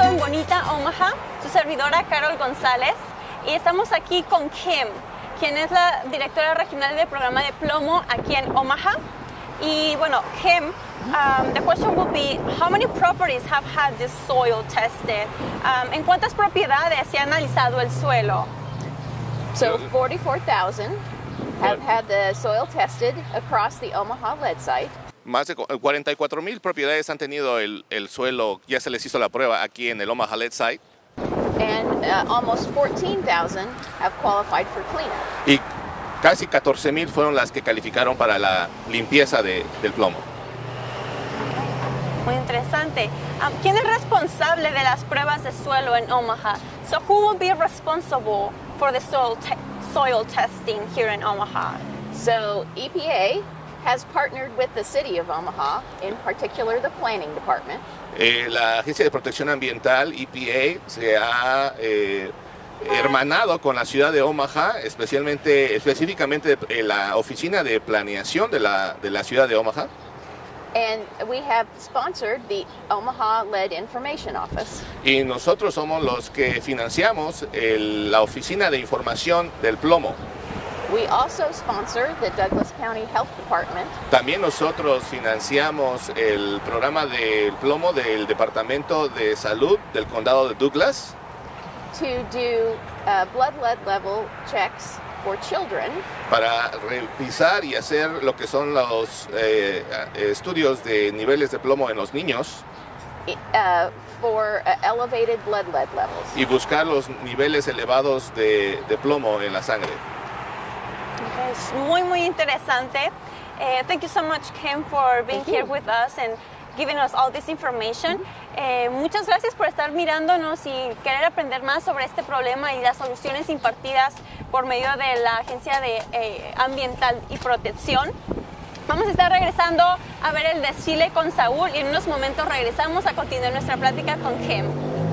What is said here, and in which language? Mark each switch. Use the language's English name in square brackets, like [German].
[Spanish] Vista Omaha, su servidora Carol González, y estamos aquí con Kim, quien es la directora regional del programa de plomo aquí en Omaha. Y bueno, [English] Kim, the question would be, how many properties have had this soil tested? [Spanish] ¿En cuántas propiedades se ha analizado el suelo? [English] So 44,000 have had the soil tested across the Omaha Lead site. [Spanish] Más de 44,000 propiedades han tenido el suelo, ya se les hizo la prueba aquí en el Omaha Lead site. [English] And almost 14,000 have qualified for cleanup. [Spanish] Y casi 14,000 fueron las que calificaron para la limpieza del plomo. Muy interesante. ¿Quién es responsable de las pruebas de suelo en Omaha? [English] So who will be responsible for the soil testing here in Omaha? So EPA has partnered with the city of Omaha, in particular the planning department. [Spanish] La Agencia de Protección Ambiental, EPA, se ha hermanado con la ciudad de Omaha, específicamente la oficina de planeación de la ciudad de Omaha. [English] And we have sponsored the Omaha Lead Information Office. [Spanish] Y nosotros somos los que financiamos la oficina de información del plomo. [English] We also sponsor the Douglas County Health Department. [Spanish] También nosotros financiamos el programa del plomo del Departamento de Salud del Condado de Douglas. [English] To do blood lead level checks for children. [Spanish] Para revisar y hacer lo que son los estudios de niveles de plomo en los niños. [English] For elevated blood lead levels. [Spanish] Y buscar los niveles elevados de plomo en la sangre. Es muy, muy interesante. [English] Thank you so much, Kim, for being here with us and giving us all this information. [Spanish] Muchas gracias por estar mirándonos y querer aprender más sobre este problema y las soluciones impartidas por medio de la Agencia de Ambiental y Protección. Vamos a estar regresando a ver el desfile con Saúl y en unos momentos regresamos a continuar nuestra plática con Kim.